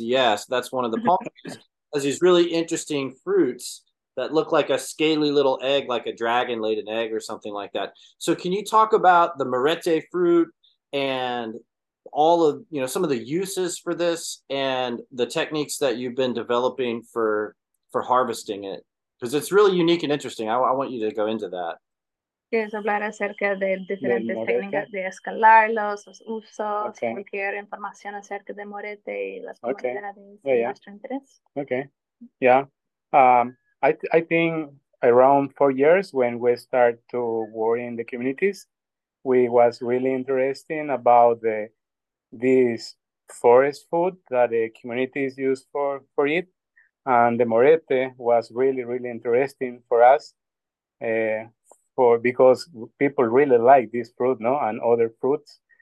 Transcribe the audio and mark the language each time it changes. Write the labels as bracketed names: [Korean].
[English] Yes, that's one of the palm trees. Has these really interesting fruits that look like a scaly little egg, like a dragon laid an egg or something like that. So can you talk about the Morete fruit and all of, you know, some of the uses for this and the techniques that you've been developing for harvesting it? Because it's really unique and interesting. I want you to go into that. [Spanish] ¿Quieres hablar acerca de diferentes técnicas de escalarlos, los usos, okay. Cualquier información acerca de Morete y las comunidades [English] okay. Yeah, yeah. Okay, yeah. I think around 4 years when we start to work in the communities, we was really interesting about this forest food that the communities use for it. And the Morete was really, really interesting for us because people really like this fruit, no, and other fruits.